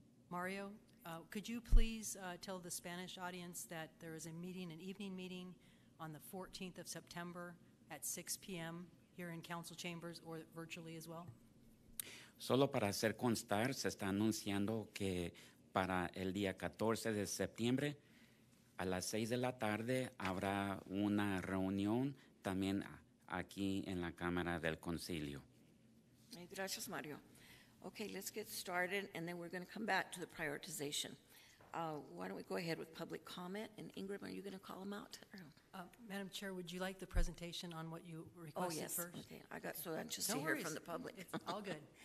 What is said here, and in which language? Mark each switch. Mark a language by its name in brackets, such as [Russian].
[English] Mario, could you please tell the Spanish audience that there is a meeting, an evening meeting, on the 14th of September at 6 p.m. here in council chambers or virtually as well? [Spanish] Solo para hacer constar, se está anunciando que para el día 14 de septiembre a las 6 de la tarde habrá una reunión también aquí en la Cámara del Concilio. Gracias, Mario. [English] Okay, let's get started, and then we're going to come back to the prioritization. Why don't we go ahead with public comment? And Ingram, are you going to call them out? Madam Chair, would you like the presentation on what you requested first? Oh, yes. First? Okay. I got so anxious to hear from the public. It's all good.